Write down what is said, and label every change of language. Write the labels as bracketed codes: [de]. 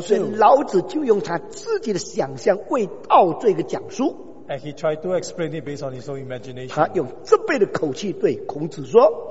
[zh] 所以老子就用他自己的想象为道做一个讲述。 [en] And he tried to explain it based on his own imagination. [zh] 他用这辈的口气对孔子说。